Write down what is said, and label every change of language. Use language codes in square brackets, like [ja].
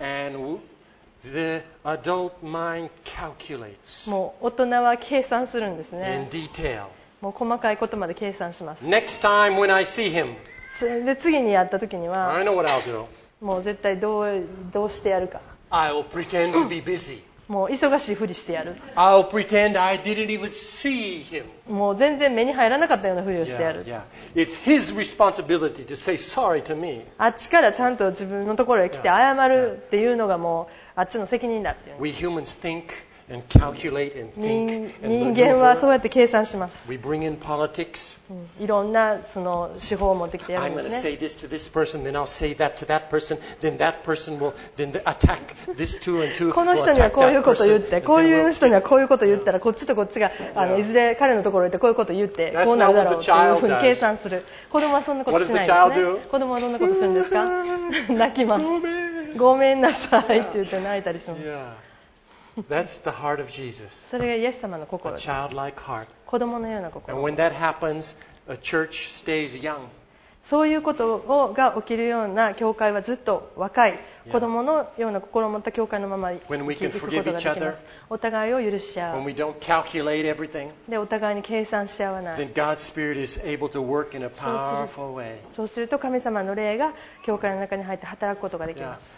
[en] And the adult mind calculates. [ja] もう大人は計算するんですね。 [en] In detail. [ja] もう細かいことまで計算します。 [en] Next time when I see him. [ja] で次にやった時には。 [en] I know what I'll do. [ja] もう絶対どうしてやるか。 [en] I'll pretend to be busy. [ja] もう忙しいふりしてやる。 [en] I'll pretend I didn't even see him. [ja] もう全然目に入らなかったようなふりをしてやる。 [en] Yeah, yeah. It's his responsibility to say sorry to me. [ja] あっちからちゃんと自分のところへ来て謝るっていうのがもうあっちの責任だっていう。 [en] We humans think and calculate and think and maneuver. [ja] 人間はそうやって計算します。 [en] We bring in politics. [ja] いろんなその手法を持ってきてやるんですね。 [en] I'm going to say this to this person, then I'll say that to that person, then that person will then attack this two and two. [ja] この人にはこういうこと言って、こういう人にはこういうこと言ったら、こっちとこっちがいずれ彼のところへ行ってこういうこと言って、こうなるだろうというふうに計算する。子供はそんなことしないですね。子供はどんなことするんですか？泣きます。ごめんなさいって言って泣いたりします。 [en] That's the heart of Jesus. [ja] それがイエス様の心です。 [en] A childlike heart. [ja] 子供のような心です。 [en] And when that happens, a church stays young. [ja] そういうことをが起きるような教会はずっと若い、yeah. 子供のような心を持った教会のまま [en] when we can forgive each other, [ja] お互いを許し合う。 [en] When we don't calculate everything, [ja] でお互いに計算し合わない。 [en] Then God's Spirit is able to work in a powerful way. [ja] そうすると神様の霊が教会の中に入って働くことができます。